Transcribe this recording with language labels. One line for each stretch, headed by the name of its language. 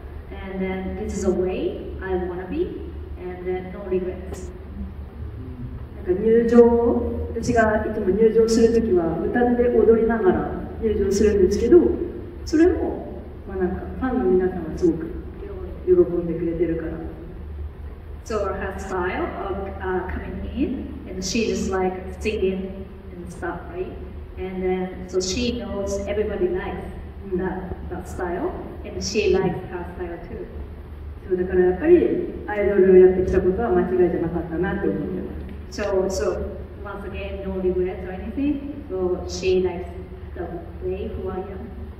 English: And then this is a way I wanna be, and then no regrets.
Japanese: なんか入場、私がいつも入場するときは歌って踊りながら入場するんですけど、それもまあなんかファンの皆さんはすごく喜んでくれてるから。
English: So her style of coming in, and she just like singing and stuff, right? And then so she knows everybody likes that style. And she likes her style too. So
Japanese: だからやっぱりアイドルをやってきたことは間違いじゃなかったなって思ってます。
English: So once again, no regrets or anything. So she likes the way who I am.